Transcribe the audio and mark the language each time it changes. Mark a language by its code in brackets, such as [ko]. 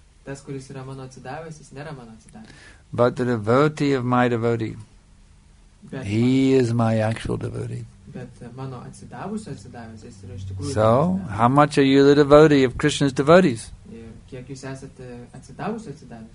[lt] Tas, kuris yra mano atsidavęs, jis nėra mano atsidavęs. [en] But the devotee of my devotee, he is my actual devotee. [lt] Bet mano atsidavusio atsidavęs, jis yra iš tikrųjų. [en] So, how much are you the devotee of Krishna's devotees? [lt] Kiek jūs esate atsidavusio atsidavęs?